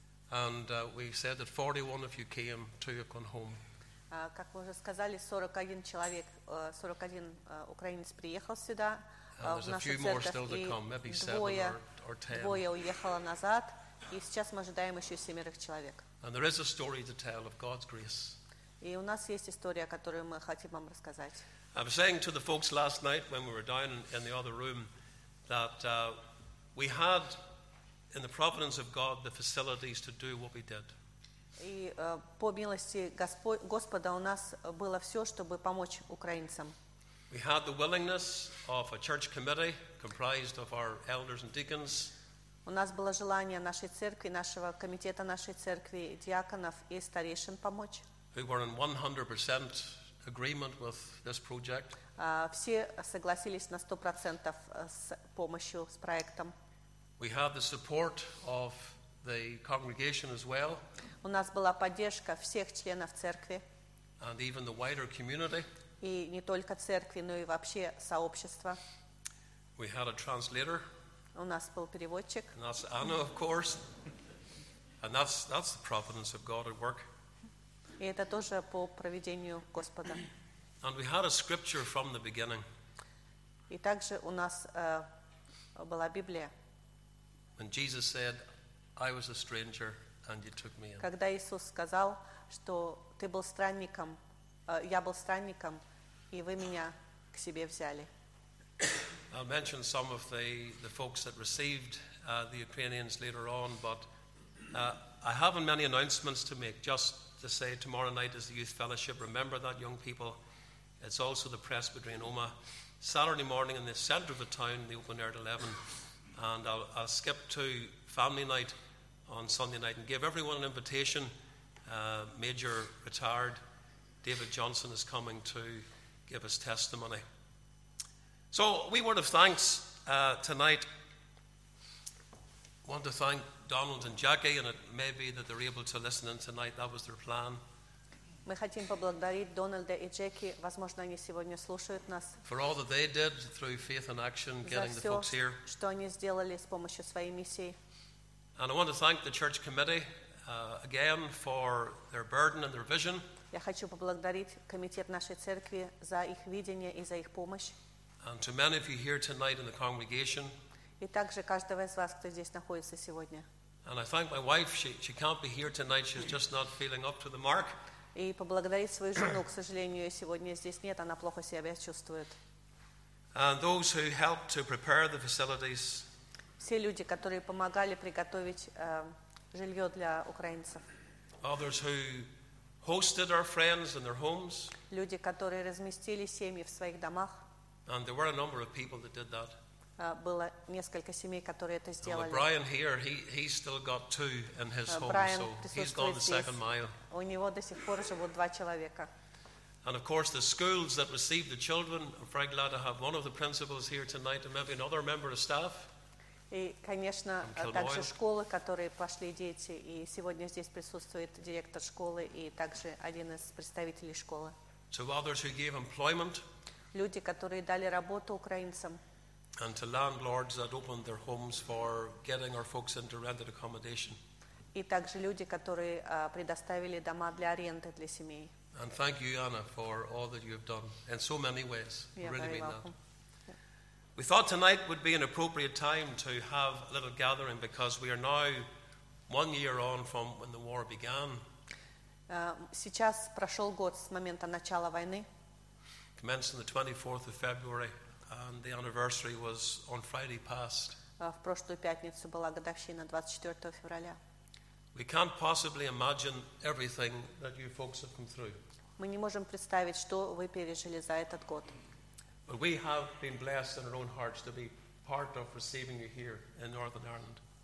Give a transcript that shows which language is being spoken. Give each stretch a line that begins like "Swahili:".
English: And we said that 41 of you came, 2 have gone home.
Russian: Как вы уже сказали, 41 человек, 41 украинец приехал сюда. Двое уехало назад, и сейчас мы ожидаем еще 7 человек.
English: And there is a story to tell of God's grace.
Russian: И у нас есть история, которую мы хотим вам рассказать.
English: I was saying to the folks last night when we were down in the other room that we had, in the providence of God, the facilities to do what we did.
Russian: И по милости Господа у нас было все, чтобы помочь украинцам.
English: We had the willingness of a church committee comprised of our elders and deacons.
Russian: У нас было желание нашей церкви, нашего комитета нашей церкви, диаконов и старейшин помочь.
English: We were in 100% agreement with this project.
Russian: Все согласились на 100% с помощью, с проектом.
English: We had the support of the congregation as well.
Russian: У нас была поддержка всех членов церкви.
English: And even the wider community.
Russian: И не только церкви, но и вообще сообщества.
English: We had a translator.
Russian: У нас был переводчик.
English: And that's Anna, of course. And that's the providence of God at work.
Russian: И это тоже по проведению Господа.
English: And we had a scripture from the beginning.
Russian: И также у нас была Библия.
English: And Jesus said, I was a stranger and you took me in.
Russian: Когда Иисус сказал, что ты был странником, я был странником, и вы меня к себе взяли.
English: I'll mention some of the folks that received the Ukrainians later on, but I haven't many announcements to make, just to say tomorrow night is the Youth Fellowship. Remember that, young people. It's also the Presbytery in Omagh. Saturday morning in the centre of the town, the open air at 11. And I'll skip to family night on Sunday night and give everyone an invitation. Major retired David Johnson is coming to give his testimony. So we word of thanks tonight. Want to thank Donald and Jackie, and it may be that they're able to listen in tonight. That was their plan.
Russian: Мы хотим поблагодарить Дональда и Джеки. Возможно, они сегодня слушают нас.
English: For all that they did through faith and action, getting the folks here.
Russian: За все, что они сделали с помощью своей миссии.
English: And I want to thank the church committee again for their burden and their vision.
Russian: Я хочу поблагодарить комитет нашей церкви за их видение и за их помощь.
English: And to many of you here tonight in the congregation.
Russian: И также каждого из вас, кто здесь находится сегодня.
English: And I thank my wife. She can't be here tonight. She's just not feeling up to the mark.
Russian: И поблагодарить свою жену, к сожалению, ее сегодня здесь нет, она плохо себя чувствует.
English: And those who helped to prepare the facilities.
Russian: Все люди, которые помогали приготовить жилье для украинцев.
English: Others who hosted our friends in their homes.
Russian: Люди, которые разместили семьи в своих домах.
English: And there were a number of people that did that.
Russian: Было несколько семей, которые это сделали.
English: With Brian here, he still got 2 in his home, Brian, so he's gone the second mile.
Russian: У него до сих пор живут 2 человека.
English: And of course, the schools that received the children, I'm very glad to have one of the principals here tonight, and maybe another member of staff.
Russian: И, конечно, также школы, которые пошли дети, и сегодня здесь присутствует директор школы и также один из представителей школы.
English: To others who gave employment.
Russian: Люди, которые дали работу украинцам.
English: And to landlords that opened their homes for getting our folks into rented accommodation.
Russian: И также люди, которые предоставили дома для аренды для семей.
English: And thank you, Anna, for all that you have done in so many ways. You're really very mean welcome. That. We thought tonight would be an appropriate time to have a little gathering because we are now 1 year on from when the war began.
Russian: Сейчас прошел год с момента начала войны.
English: Commenced on the 24th of February, and the anniversary was on Friday past.
Russian: В прошлую пятницу была годовщина 24 февраля.
English: We can't possibly imagine everything that you folks have come through.
Russian: Мы не можем представить, что вы пережили за этот год.
English: But we have been blessed in our own hearts to be part of receiving you here in Northern Ireland.